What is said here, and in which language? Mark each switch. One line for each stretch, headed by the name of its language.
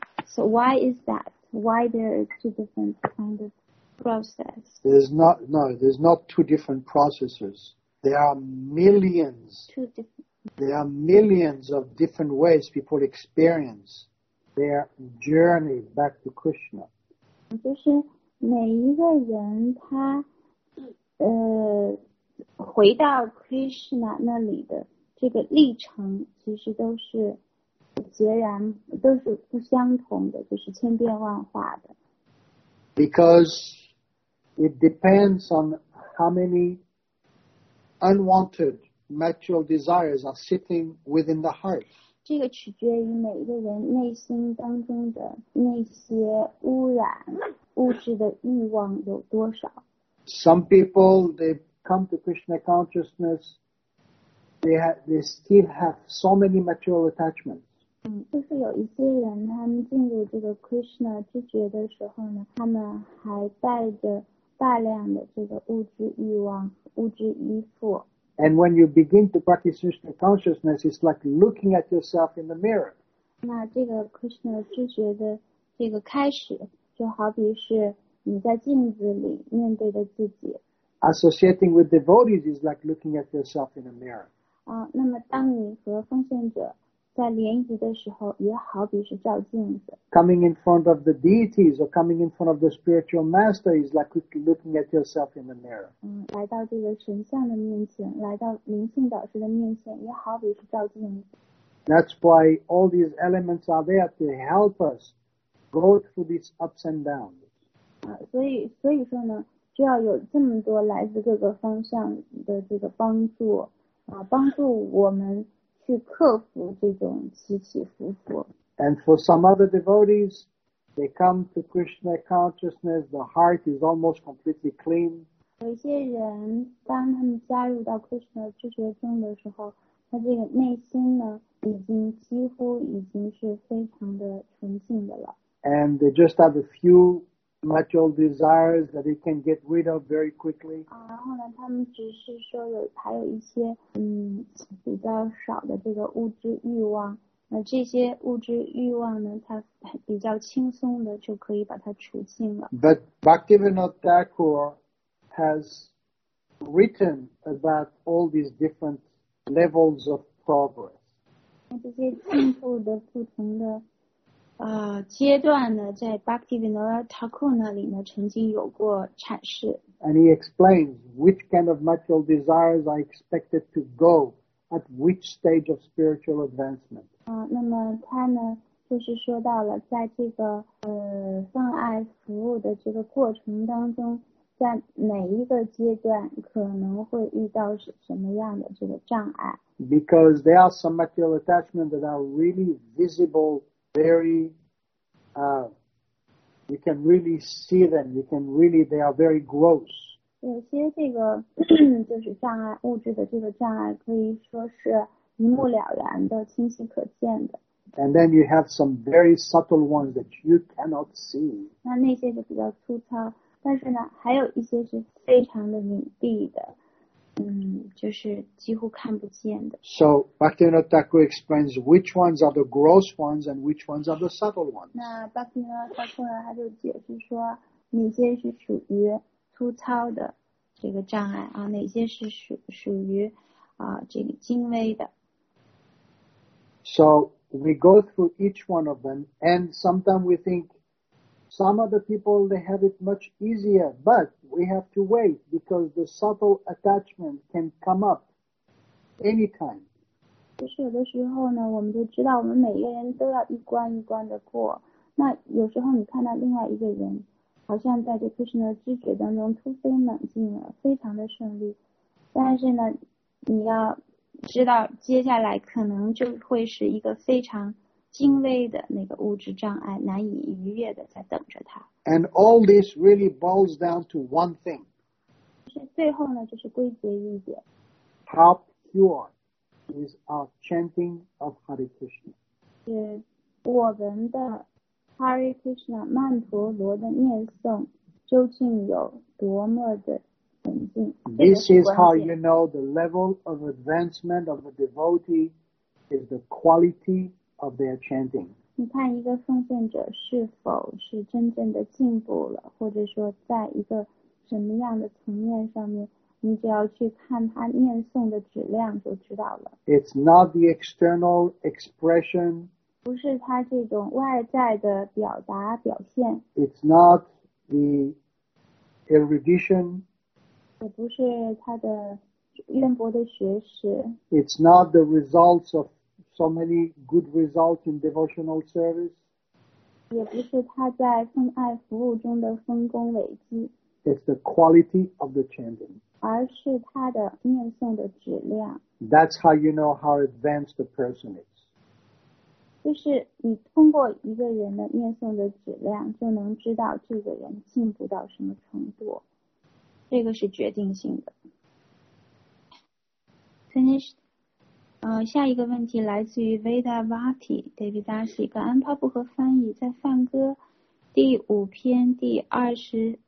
English: So why is that? Why there are two different kind of process? There's not two different processes. There are millions of different ways people experience their journey back to Krishna.
Chinese: 就是每一个人他回到 Krishna 那里的这个历程其实都是截然都是不相同的，就是千变万化的。
English: Because it depends on how many unwanted material desires are sitting within the heart.
Chinese: 这个取决于每一个人内心当中的那些污染物质的欲望有多少。
English: Some people, they come to Krishna consciousness, they still have so many material attachments.
Chinese: 就是有一些人他们进入这个 Krishna 知觉的时候呢，他们还带着大量的这个物质欲望，物质依附。
English: And when you begin to practice Krishna consciousness, it's like looking at yourself in the mirror.
Chinese: 那这个 Krishna 知觉的这个开始，就好比是你在镜子里面对的自己。
English: Associating with devotees is like looking at yourself in a mirror.
Chinese: 那么当你和奉献者在联谊的时候，也好比是照镜子。
English: Coming in front of the deities or coming in front of the spiritual master is like looking at yourself in the mirror.
Chinese: 来到这个神像的面前，来到灵性导师的面前，也好比是照镜子。
English: That's why all these elements are there to help us go through these ups and downs.
Chinese: 所以说呢，就要有这么多来自各个方向的这个帮助，帮助我们。去克服这种起起伏伏。
English: And for some other devotees, they come to Krishna consciousness, the heart is almost completely clean.
Chinese: 有一些人当他们加入到 Krishna 知觉中的时候，他这个内心呢，已经几乎已经是非常的纯净的了。
English: And they just have a few material desires that they can get rid of very quickly.
Chinese: 然后呢，他们只是说有还有一些比较少的这个物质欲望，那这些物质欲望呢，它比较轻松的就可以把它除尽了。
English: But Bhaktivinoda Thakur has written about all these different levels of progress.
Chinese: 那这些进步的不同的。阶段呢，在 Bhaktivinoda Thakur 那里呢，曾经有过阐释。
English: And he explains which kind of material desires are expected to go at which stage of spiritual advancement.
Chinese: 那么他呢，就是说到了在这个泛爱服务的这个过程当中，在哪一个阶段可能会遇到什么样的这个障碍。
English: Because there are some material attachments that are really visible. You can really see them. They are very gross.
Chinese: 有些这个就是障碍，物质的这个障碍，可以说是一目了然的，清晰可见的。
English: And then you have some very subtle ones that you cannot see.
Chinese: 那些就比较粗糙，但是呢，还有一些是非常的隐蔽的。就是几乎看不见的。
English: So Bhaktivinoda Thakur explains which ones are the gross ones and which ones are the subtle ones.
Chinese: 那 Bhaktivinoda Thakur 他就解释说，哪些是属于粗糙的这个障碍啊，哪些是属于这个精微的。
English: So we go through each one of them, and sometimes we think some other people they have it much easier, but we have to wait because the subtle attachment can come up anytime.
Chinese: 其实有的时候呢，我们就知道我们每一个人都要一关一关的过。那有时候你看到另外一个人，好像在这个Krishna的知觉当中突飞猛进了，非常的顺利。但是呢，你要知道接下来可能就会是一个非常精微的那个物质障碍，难以逾越的在等着他。
English: And all this really boils down to one thing.
Chinese: 最后呢，就是归结一点。
English: Top cure is our chanting of Hare Krishna.
Chinese: 是我们的 Hare Krishna 曼陀罗的念诵究竟有多么的纯净。
English: This is how you know the level of advancement of a devotee is the quality of their chanting.
Chinese: 你看一个奉献者是否是真正的进步了，或者说在一个什么样的层面上面，你只要去看他念诵的质量就知道了。
English: It's not the external expression.
Chinese: 不是他这种外在的表达表现。
English: It's not the erudition.
Chinese: 也不是他的渊博的学识。
English: It's not the results of so many good results in devotional service.
Chinese: 也不是他在奉爱服务中的丰功伟绩。
English: It's the quality of the chanting.
Chinese: 而是他的念诵的质量。
English: That's how you know how advanced the person is.
Chinese: 就是你通过一个人的念诵的质量，就能知道这个人进步到什么程度。这个是决定性的。
English: Finished.
Chinese: 下一个问题来自于 Veda Vati David Dasi， 感恩帕布和翻译，在梵歌第五篇第二十。